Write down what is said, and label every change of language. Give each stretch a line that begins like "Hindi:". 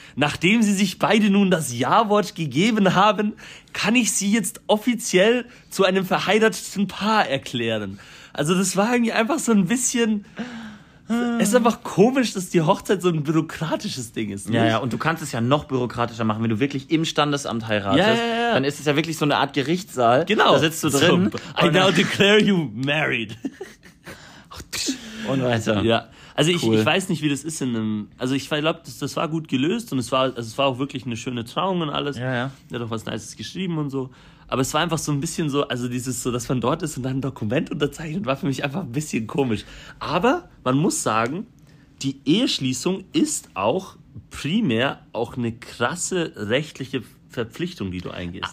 German: Nachdem Sie sich beide nun das Ja-Wort gegeben haben, kann ich Sie jetzt offiziell zu einem verheirateten Paar erklären. Also, das war irgendwie einfach so ein bisschen, es ist einfach komisch, dass die Hochzeit so ein bürokratisches Ding ist. Nicht? Ja, ja, und du kannst es ja noch bürokratischer machen, wenn du wirklich im Standesamt heiratest. Ja, ja, ja. Dann ist es ja wirklich so eine Art Gerichtssaal. Genau. Da sitzt du drin.
English: So, I now declare you married.
German: Und weiter. Ja. Also cool. Ich weiß nicht, wie das ist in einem... Also ich glaube, das war gut gelöst und es war auch wirklich eine schöne Trauung und alles. Ja, ja. Er hat auch was Nices geschrieben und so. Aber es war einfach so ein bisschen so, also dieses so, dass man dort ist und dann ein Dokument unterzeichnet, war für mich einfach ein bisschen komisch. Aber man muss sagen, die Eheschließung ist auch primär auch eine krasse rechtliche Verpflichtung, die du eingehst.